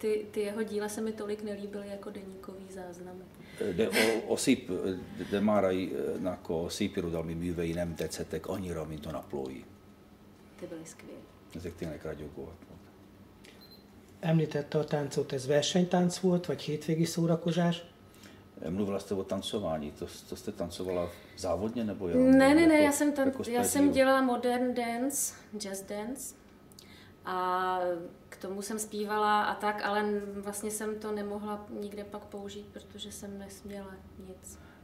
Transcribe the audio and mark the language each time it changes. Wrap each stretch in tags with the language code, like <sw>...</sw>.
<cs>Ty jeho díla se mi tolik nelíbily jako deníkový záznam.</cs> <hu>De o szép, de Márainak a szép irodalmi művei nem tetszettek annyira, mint a naplói.</hu> <cs>Ty byly skvělé.</cs> <hu>Ezek tényleg ragyogó. Említette a táncot, ez versenytánc volt, vagy hétvégi szórakozás?</hu> <cs>Mluvila jste o tancování, to jste tancovala závodně nebo jo? Ne, já jsem dělala modern dance, jazz dance. A k tomu jsem zpívala a tak, ale vlastně jsem to nemohla nikde pak použít, protože jsem nesměla nic.</cs>